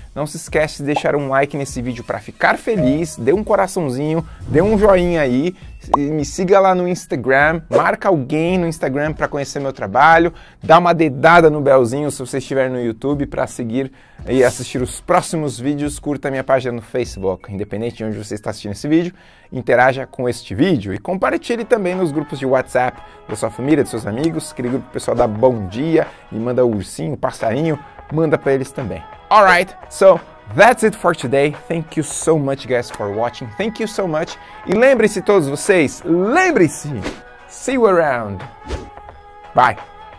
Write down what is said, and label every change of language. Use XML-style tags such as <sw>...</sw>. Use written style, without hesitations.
<pt>Não se esquece de deixar um like nesse vídeo pra ficar feliz, dê um coraçãozinho, dê um joinha aí, me siga lá no Instagram, marca alguém no Instagram pra conhecer meu trabalho, dá uma dedada no belzinho se você estiver no YouTube pra seguir e assistir os próximos vídeos, curta minha página no Facebook, independente de onde você está assistindo esse vídeo, interaja com este vídeo e compartilhe também nos grupos de WhatsApp da sua família, dos seus amigos, aquele grupo pessoal dá bom dia e manda o ursinho, o passarinho, manda pra eles também.</pt> <en>Alright, so that's it for today. Thank you so much, guys, for watching. Thank you so much.</en> <pt>E lembre-se, todos vocês, lembre-se!</pt> <en>See you around. Bye.</en>